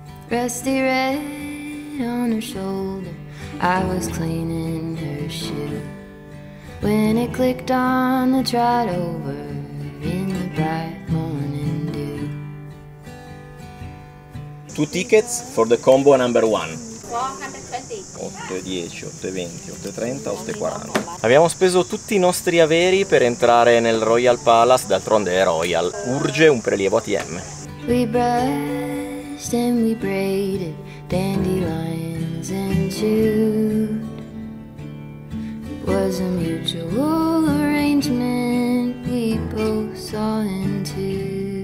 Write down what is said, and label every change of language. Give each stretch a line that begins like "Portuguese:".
English: Rusty red on her shoulder, I was cleaning her shoe when it clicked on the trot over in the bright morning dew. Two tickets for the combo number one. 8.10, 8.20, 8.30, 8.40.
Italian: Abbiamo speso tutti i nostri averi per entrare nel Royal Palace, d'altronde è Royal. Urge un prelievo ATM.
English: We brushed and we braided dandelions and chewed. It was a mutual arrangement we both saw into.